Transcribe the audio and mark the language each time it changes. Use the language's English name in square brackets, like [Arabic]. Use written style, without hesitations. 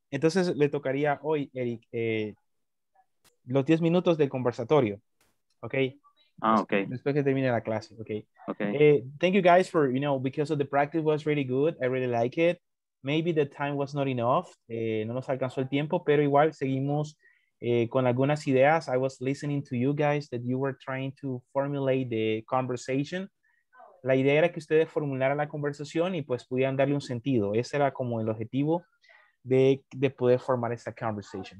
[Spanish] Entonces le tocaría hoy, Eric, los 10 minutos del conversatorio, okay. Ah, okay. Después que termine la clase, okay. Okay. [English] Thank you guys for, you know, because of the practice was really good. I really like it. Maybe the time was not enough. [Spanish] No nos alcanzó el tiempo, pero igual seguimos con algunas ideas. [English] I was listening to you guys that you were trying to formulate the conversation. [Spanish] La idea era que ustedes formularan la conversación y pues pudieran darle un sentido. Ese era como el objetivo de poder formar esta conversation.